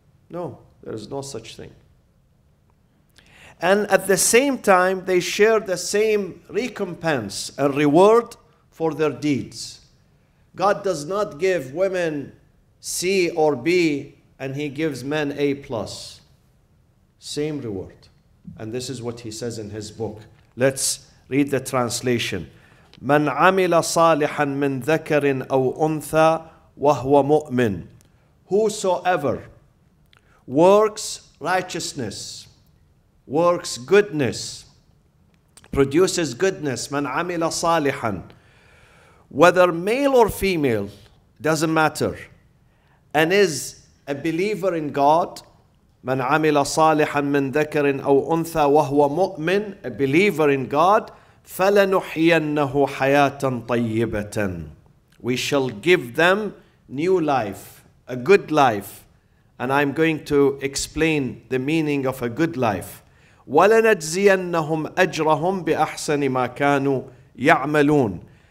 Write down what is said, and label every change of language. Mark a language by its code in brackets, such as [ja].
[en] No, there is no such thing. And at the same time, they share the same recompense and reward for their deeds. God does not give women C or B, and he gives men A plus. Same reward. And this is what he says in his book. Let's read the translation. [ar] من عمل صالحا من ذكر أو أنثى وهو مؤمن. [en] Whosoever works righteousness, works goodness, produces goodness. [ar] من عمل صالحا. [en] Whether male or female, doesn't matter. And is a believer in God. [ar] من عمل صالحا من ذكر أو أنثى وهو مؤمن. [en] A believer in God. [ar] فَلَنُحْيَنَّهُ حَيَاةً طَيِّبَةً. [en] We shall give them new life, a good life. And I'm going to explain the meaning of a good life. [ar] وَلَنَجْزِيَنَّهُمْ أَجْرَهُمْ بِأَحْسَنِ مَا كَانُوا يَعْمَلُونَ.